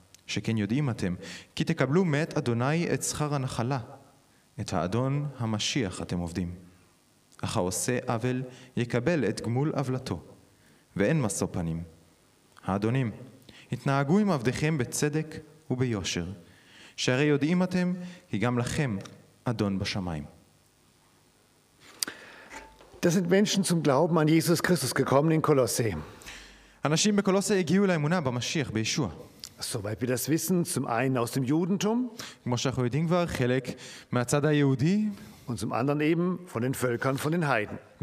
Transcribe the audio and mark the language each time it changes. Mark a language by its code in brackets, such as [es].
[he] שכן יודעים אתם, כי תקבלו מאת אדוני את שכר הנחלה, את האדון המשיח אתם עובדים. אך העושה עוול יקבל את גמול עוולתו, ואין משוא פנים. האדונים, התנהגו עם עבדיכם בצדק וביושר, שהרי יודעים אתם, כי גם לכם אדון בשמיים. [de] Das sind Menschen zum Glauben an Jesus Christus gekommen in Kolosse. [he] אנשים בקולוסה הגיעו לאמונה במשיח, בישוע. [de] Soweit wir das wissen, zum einen aus dem Judentum. [he] כמו שאנחנו יודעים כבר, חלק מהצד היהודי. [de] Und zum anderen eben von den Völkern, von den Heiden.